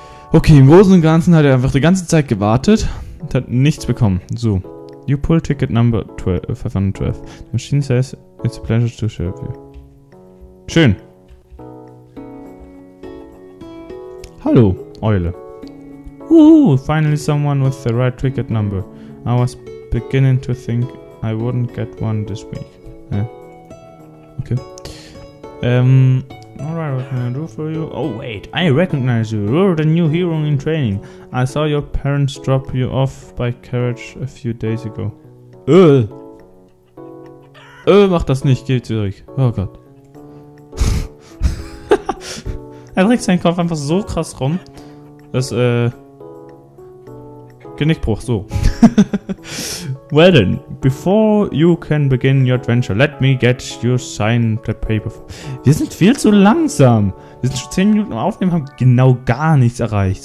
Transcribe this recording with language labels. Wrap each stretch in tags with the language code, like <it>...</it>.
<de>Okay, im Großen und Ganzen hat er einfach die ganze Zeit gewartet und hat nichts bekommen.</de> <en>So. You pull ticket number 512. The machine says, it's a pleasure to serve you. Schön.</en> <de>Hallo, Eule.</de> <en>Woohoo, finally someone with the right ticket number. I was beginning to think I wouldn't get one this week. Yeah. Okay. Alright, what can I do for you? Oh, wait, I recognize you. You're the new hero in training. I saw your parents drop you off by carriage a few days ago.</en> <de>Mach das nicht, geh zurück. Oh Gott. Er dreht seinen Kopf einfach so krass rum, dass, Genickbruch, so.</de> <en>Well then, before you can begin your adventure, let me get you signed the paper.</en> <de>Wir sind viel zu langsam. Wir sind schon 10 Minuten am Aufnehmen, haben genau gar nichts erreicht.</de>